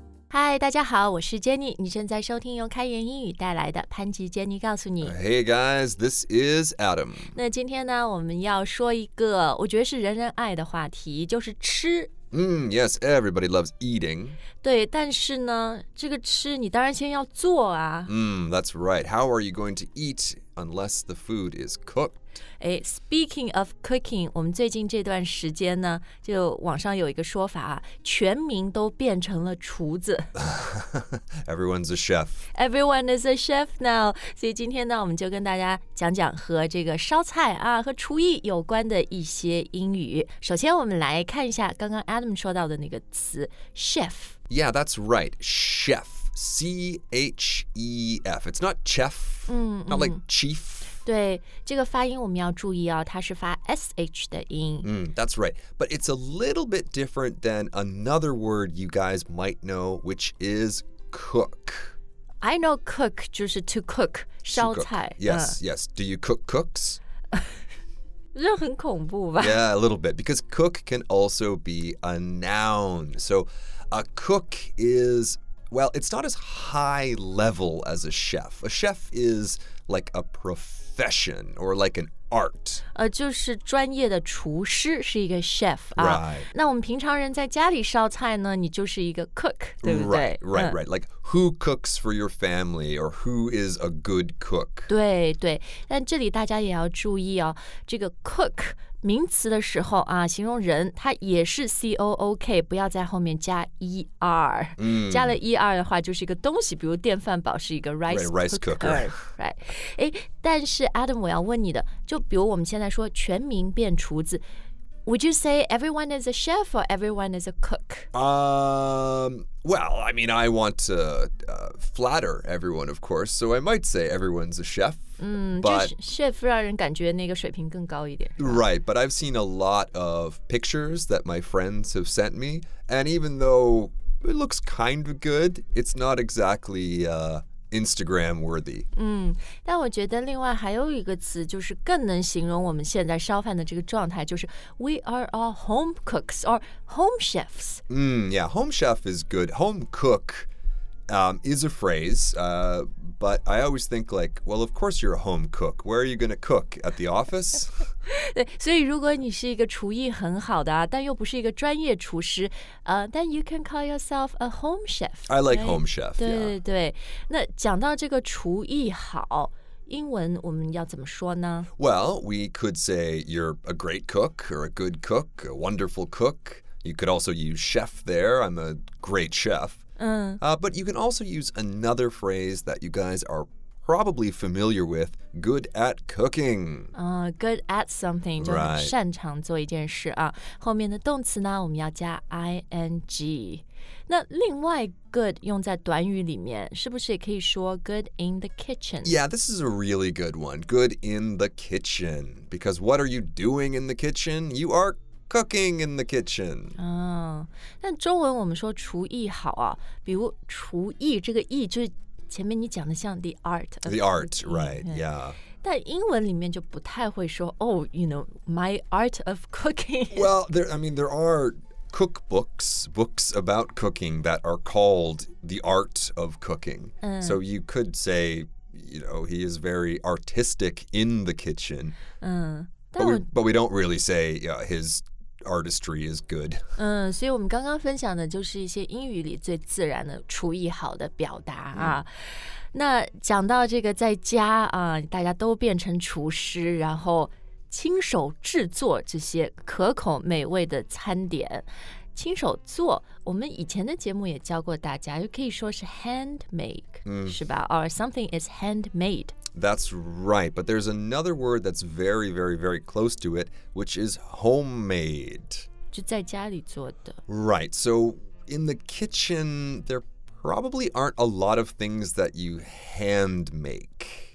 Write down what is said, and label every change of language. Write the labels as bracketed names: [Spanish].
[Chinese] 嗨，大家好，我是 Jenny， 你正在收听由开言英语带来的潘吉 Jenny 告诉你。 [English] Hey guys, this is Adam. [Chinese] 那今天呢，我们要说一个我觉得是人人爱的话题，就是吃。 [English] Yes, everybody loves eating. [Chinese] 对，但是呢，这个吃你当然先要做啊。 [English] That's right. How are you going to eat unless the food is cooked? Speaking of cooking, [Chinese] 我们最近这段时间呢，就网上有一个说法啊，全民都变成了厨子。 [English] Everyone's a chef. Everyone is a chef now. [Chinese] 所以今天呢，我们就跟大家讲讲和这个烧菜啊和厨艺有关的一些英语。首先我们来看一下刚刚 Adam 说到的那个词 chef. [English] Yeah, that's right, chef. C-H-E-F. It's not chef, not like chief. [Chinese] 对，这个发音我们要注意哦，它是发 SH 的音。 [English] That's right. But it's a little bit different than another word you guys might know, which is cook. I know cook 就是 to cook, 烧菜。 Yes. Do you cook cooks? [Chinese] 这很恐怖吧。 [English] Yeah, a little bit. Because cook can also be a noun. So a cook is... Well, it's not as high level as a chef. A chef is like a profession or like an art. [Chinese] 就是专业的厨师是一个 chef. [English] Right. [Chinese] 那我们平常人在家里烧菜呢，你就是一个 cook, 对不对？ [English] Right. Like who cooks for your family or who is a good cook? [Chinese] 对对。但这里大家也要注意哦，这个 cook... 名词的时候啊，形容人，它也是 C-O-O-K, 不要在后面加 E-R。加了 E-R 的话就是一个东西，比如电饭煲是一个 rice cooker. [English] Right. [Chinese] 但是 Adam, 我要问你的，就比如我们现在说全民变厨子， [English] Would you say everyone is a chef or everyone is a cook? Well, I mean, I want to flatter everyone, of course, so I might say everyone's a chef. But [Chinese] chef 让人感觉那个水平更高一点。 [English] Right, but I've seen a lot of pictures that my friends have sent me, and even though it looks kind of good, it's not exactly Instagram worthy. [Chinese] 但我觉得另外还有一个词就是更能形容我们现在烧饭的这个状态，就是 [English] we are all home cooks or home chefs. Home chef is good. Home cook is a phrase, but I always think like, well, of course you're a home cook. Where are you going to cook? At the office? [Chinese] 对，所以如果你是一个厨艺很好的啊，但又不是一个专业厨师， [English] then you can call yourself a home chef. I like home chef. [Chinese] 对对对。那讲到这个厨艺好，英文我们要怎么说呢？ [English] Well, we could say you're a great cook or a good cook, a wonderful cook. You could also use chef there. I'm a great chef. But you can also use another phrase that you guys are probably familiar with, good at cooking. Good at something, [Chinese] 就是擅长做一件事啊。后面的动词呢，我们要加 ing。那另外 good 用在短语里面，是不是也可以说 good in the kitchen? [English] Yeah, this is a really good one, good in the kitchen. Because what are you doing in the kitchen? You are cooking in the kitchen. [Chinese] 但中文我们说厨艺好啊，比如厨艺这个艺就是前面你讲的像 the art. [English] The art, right, yeah. [Chinese] 但英文里面就不太会说 [English] oh, you know, my art of cooking. Well, there are books about cooking that are called the art of cooking. So you could say, you know, he is very artistic in the kitchen. But we don't really say his artistry is good. [Chinese] 所以我们刚刚分享的就是一些英语里最自然的厨艺好的表达啊。那讲到这个在家啊，大家都变成厨师，然后亲手制作这些可口美味的餐点。亲手做，我们以前的节目也教过大家，就可以说是 handmake, 是吧？ [English] Or something is handmade. That's right, but there's another word that's very, very, very close to it, which is homemade. [Chinese] 就在家里做的。 [English] Right, so in the kitchen, there probably aren't a lot of things that you hand make.